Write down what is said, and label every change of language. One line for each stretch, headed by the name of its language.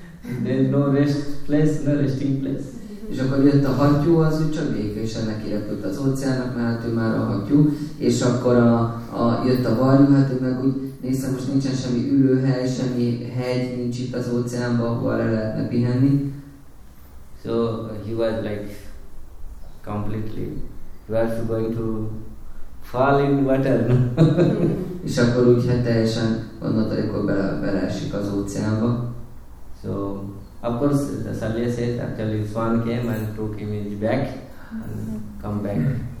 English: There is no rest place, no resting place.
Hungarian: És akkor jött a hattyú, az úgy csak békésen nekirepült az óceának, mert ő már a hattyú. És akkor jött a varjú, hát ő meg úgy nézte, most nincsen semmi ülőhely, semmi hegy nincs itt az óceánban, ahol le lehetne pihenni.
English: So he was like completely. You are going to fall in water.
Hungarian: És akkor úgy, hát teljesen gondolta, amikor beleesik az óceánba.
English: So, of course, the Salya said, actually, swan came and took him in his back and come back.